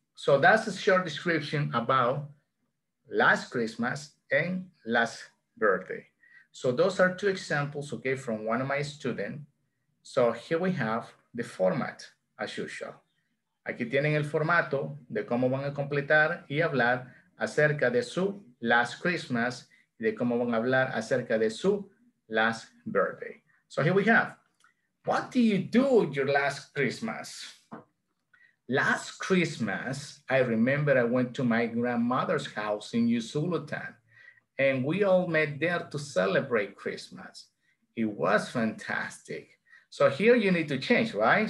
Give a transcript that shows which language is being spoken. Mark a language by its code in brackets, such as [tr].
[en] So that's a short description about last Christmas and last birthday. So those are two examples, okay, from one of my students. So here we have the format, as usual. [es] Aquí tienen el formato de cómo van a completar y hablar acerca de su [en] last Christmas, [es] de cómo van a hablar acerca de su [en] last birthday. So here we have, what do you do your last Christmas? Last Christmas, I remember I went to my grandmother's house in Usulutan, and we all met there to celebrate Christmas. It was fantastic. So here you need to change, right?